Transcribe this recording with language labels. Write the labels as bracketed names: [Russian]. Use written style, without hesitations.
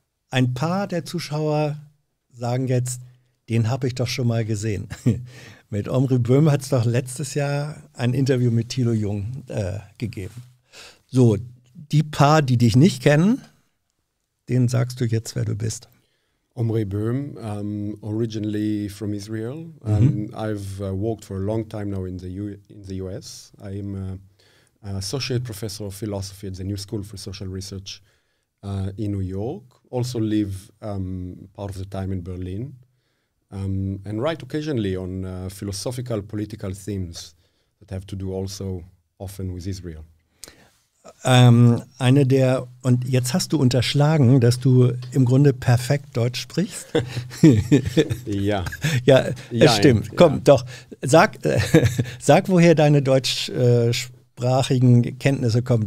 [German] Ein paar der Zuschauer sagen jetzt, den habe ich doch schon mal gesehen. Mit Omri Boehm hat es doch letztes Jahr ein Interview mit Thilo Jung gegeben. So, die paar, die dich nicht kennen, denen sagst du jetzt, wer du bist. [English] Omri Boehm, originally from Israel. Mm-hmm. I've worked for a long time now in the US. I'm an associate professor of philosophy at the New School for Social Research in New York. Also live part of the time in Berlin and write occasionally on philosophical, political themes that have to do also often with Israel. [German] Eine der, und jetzt hast du unterschlagen, dass du im Grunde perfekt Deutsch sprichst. Ja. Ja, es ja, stimmt. Ja. Komm, doch. Sag, woher deine deutschsprachigen Kenntnisse kommen.